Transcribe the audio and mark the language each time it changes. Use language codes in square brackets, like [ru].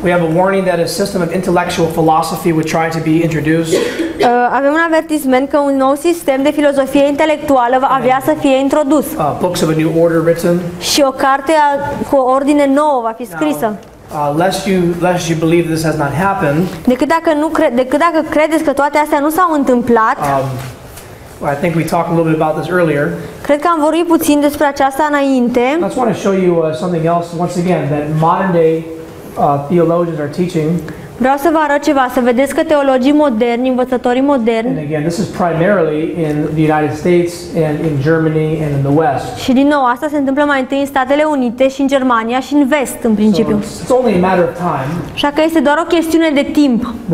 [en] We have a warning that a system of intellectual philosophy would try to be introduced. [ro] Avem un avertisment că un nou sistem de filozofie intelectuală va avea să fie introdus. [en] Books of a new order written. [ro] Și o carte cu ordine nouă va fi scrisă. [en] Lest you believe this has not happened. [ro] Decât dacă credeți că toate astea nu s-au întâmplat. [en] I think we talked a little bit about this earlier. [ro] Cred că am vorbit puțin despre aceasta înainte. [en] I just want to show you something else once again that modern day theologians are teaching. [ro] Vreau să vă arăt ceva, să vedeți că teologii moderni, învățătorii moderni. [en] And again, this is primarily in the United States and in Germany and in the West. [ro] Și din nou, asta se întâmplă mai întâi în Statele Unite și în Germania și în vest, în principiu. [en] So it's only a matter of time. [ro] Așa că este doar o chestiune de timp.